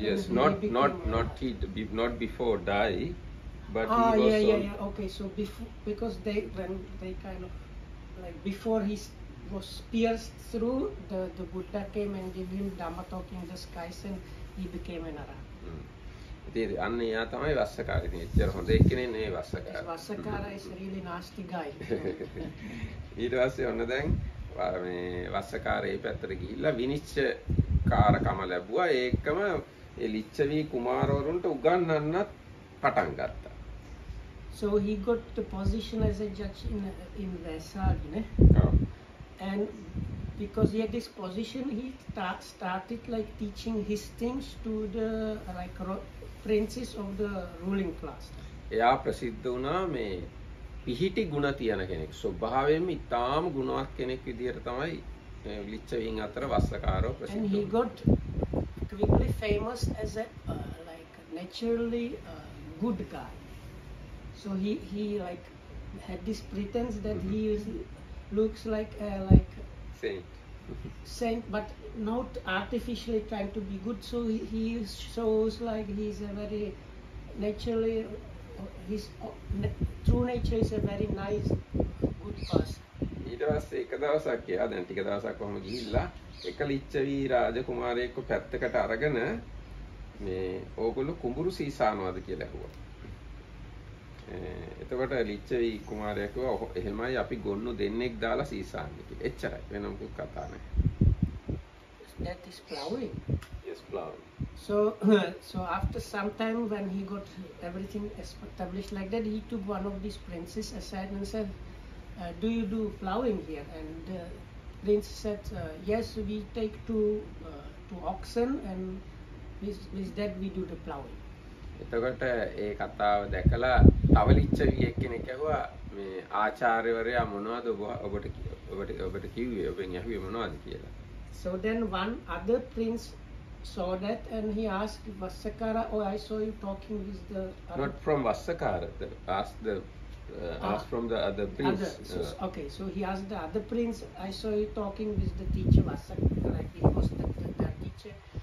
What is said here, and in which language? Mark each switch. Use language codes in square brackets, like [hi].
[en] Yes, not before die, but he was okay. So before, because they kind of like before he was pierced through, the Buddha came and gave him Dhamma talk in the skies, and he became an Arahant. [si] ඒ අන්න එයා තමයි වස්සකාර ඉතින් එච්චර හොඳ එක්කෙනේ නේ වස්සකාර. [en] වස්සකාරා is really nasty guy. [si] ඊට පස්සේ ඔන්න දැන් මේ වස්සකාරේ පැත්තට ගිහිල්ලා විනිශ්චකාරකම ලැබුවා. ඒකම ඒ ලිච්ඡවී කුමාරවරුන්ට උගන්වන්නත් පටන් ගත්තා. [en] So he got the position as a judge in Vaisali, ne? And because he had this position, he started like teaching his things to the princes of the ruling class. [si] එයා ප්‍රසිද්ධ වුණා මේ පිහිටි ගුණ තියෙන කෙනෙක්. ස්වභාවයෙන්ම ඉතාම ගුණවත් කෙනෙක් විදිහට තමයි ලිච්ඡවීන් අතර වස්සකාරව ප්‍රසිද්ධ වුණා. [en] And he got quickly famous as a naturally good guy. So he like had this pretense that he is, looks like a saint, but not artificially trying to be good. So he shows like he's a very naturally, his true nature is a very nice, good person. [si] ඊට පස්සේ එක දවසක් ගියා, දැන් ටික දවසක් වම ගිහිල්ලා එක ලිච්ඡවී රාජකුමාරයෙක්ව පැත්තකට අරගෙන මේ ඕගොල්ලෝ කුඹුරු සීසානවාද කියලා ඇහුවා. එතකොට ලිච්ඡවී කුමාරයා කිව්වා එහෙමයි, අපි ගොන්නු දෙන්නෙක් දාලා සීසාන්නේ කියලා. එච්චරයි, වෙන මොකක් කතා නැහැ. [en] That is plowing. Yes, plowing. So after some time, when he got everything established like that, he took one of these princes aside and said, do you do plowing here? And the prince said, yes, we take two oxen, and with that we do the plowing. [si] එතකොට ඒ කතාව දැකලා තවලිච්ච වියෙක් කෙනෙක් ඇහුවා මේ ආචාර්යවරයා මොනවද ඔබට ඔබට ඔබට කිව්වේ ඔබෙන් ඇහුවේ මොනවද කියලා. [en] So then one other prince saw that and he asked Vassakara, oh I saw you talking with the not from Vassakara, the asked the asked from the other prince. So he asked the other prince, I saw you talking with the teacher Vassakara, he was the teacher.